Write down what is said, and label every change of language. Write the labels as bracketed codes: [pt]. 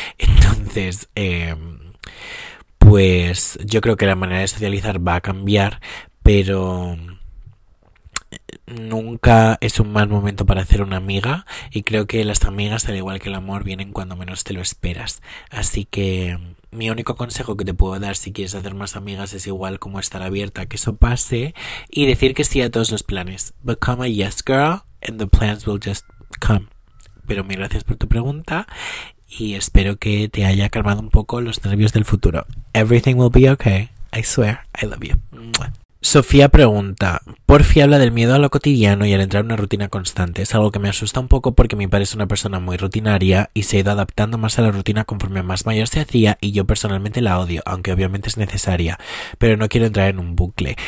[es] Entonces, pues yo creo que la manera de socializar va a cambiar, pero nunca es un mal momento para hacer una amiga, y creo que las amigas, al igual que el amor, vienen cuando menos te lo esperas. Así que mi único consejo que te puedo dar si quieres hacer más amigas es igual como estar abierta a que eso pase y decir que sí a todos los planes. [en] Become a yes girl and the plans will just come. [es] Pero mil gracias por tu pregunta y espero que te haya calmado un poco los nervios del futuro. [en] Everything will be okay. I swear. I love you. [es] Sofía pregunta, porfi habla del miedo a lo cotidiano y al entrar en una rutina constante. [en] Es algo que me asusta un poco porque mi padre es una persona muy rutinaria y se ha ido adaptando más a la rutina conforme más mayor se hacía, y yo personalmente la odio, aunque obviamente es necesaria, pero no quiero entrar en un bucle.